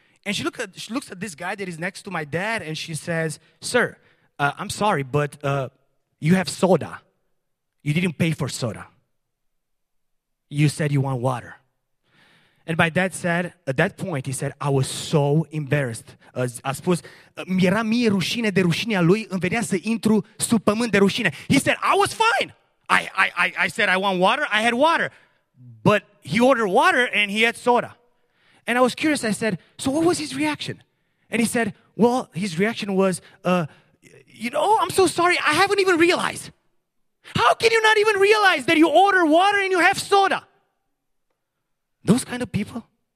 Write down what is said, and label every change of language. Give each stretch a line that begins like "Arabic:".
English: And she looks at this guy that is next to my dad and she says, sir, I'm sorry, but you have soda. You didn't pay for soda. You said you want water. And my dad said, at that point, he said, I was so embarrassed.
Romanian: A spus, mi-era mie rușine de rușinea lui, îmi venea să intru sub pământ de rușine.
English: He said, I was fine. I said, I want water. I had water. But he ordered water and he had soda. And I was curious. I said, so what was his reaction? And he said, well, his reaction was, you know, I'm so sorry. I haven't even realized. How can you not even realize that you order water and you have soda? Those kind of people?